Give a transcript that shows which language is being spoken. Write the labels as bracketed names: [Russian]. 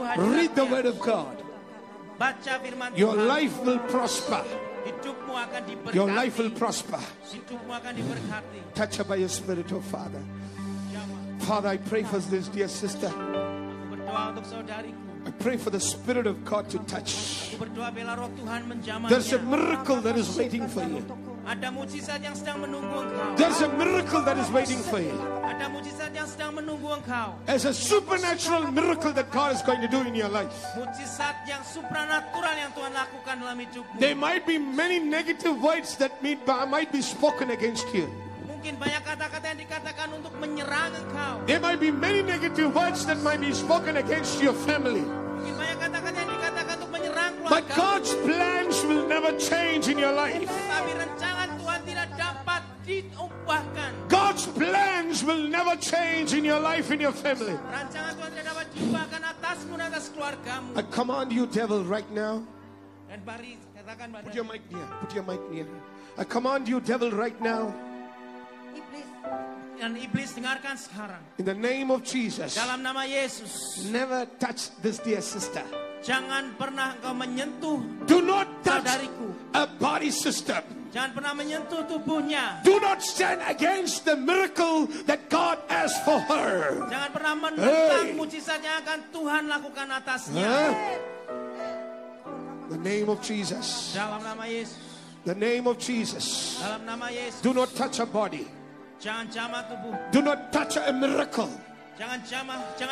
[English] hadirat. Read the word of God. [Indonesian] Baca firman Tuhan. [English] Your life will prosper. [Indonesian] Hidupmu akan diberkati. [English] Your life will prosper. [Indonesian] Hidupmu akan diberkati. [English] Touch her by your Spirit, oh Father. Father, I pray for this dear sister. [Indonesian] Aku berdoa untuk saudariku. [English] I pray for the Spirit of God to touch. [Indonesian] Aku berdoa biarlah Roh Tuhan menjamahnya. [English] There's a miracle that is waiting for you. [Indonesian] Ada mukjizat yang sedang menunggu engkau. [English] There's a miracle that is waiting for you. [Indonesian] Ada mukjizat yang sedang menunggu engkau. [English] There's a supernatural miracle that God is going to do in your life. [Indonesian] Mukjizat yang supranatural yang Tuhan lakukan dalam hidupmu. [English] There might be many negative words that might be spoken against you. [Indonesian] Mungkin banyak kata-kata yang dikatakan untuk menyerang engkau. [English] There might be many negative words that might be spoken against your family. [Indonesian] Mungkin banyak kata-kata yang dikatakan untuk menyerang keluarga. [English] But God's plans will never change in your life. [Indonesian] Tetapi rencana Tuhan tidak dapat diubahkan. [English] God's plans will never change in your life, in your family. [Indonesian] Rencana Tuhan tidak dapat diubahkan atasmu dan atas keluargamu. [English] I command you, devil, right now. [Indonesian] Dan mari katakan [English] pada. Put your mic near. Put your mic near. I command you, devil, right now. [Indonesian] Dan iblis dengarkan sekarang. [English] In the name of Jesus. [Indonesian] Dalam nama Yesus. [English] Never touch this dear sister. [Indonesian] Jangan pernah engkau menyentuh. [English] Do not touch [Indonesian] saudariku. [English] A body system. [Indonesian] Jangan pernah menyentuh tubuhnya. [English] Do not stand against the miracle that God has for her. [Indonesian] Jangan pernah menentang mukjizat yang akan Tuhan lakukan atasnya. [English] The name of Jesus. [Indonesian] Dalam nama Yesus. [English] The name of Jesus. [Indonesian] Dalam nama Yesus. [English] Do not touch a body. [Indonesian] Jangan jamah tubuh. [English] Do not touch a miracle. [Indonesian] Jangan jamah, jangan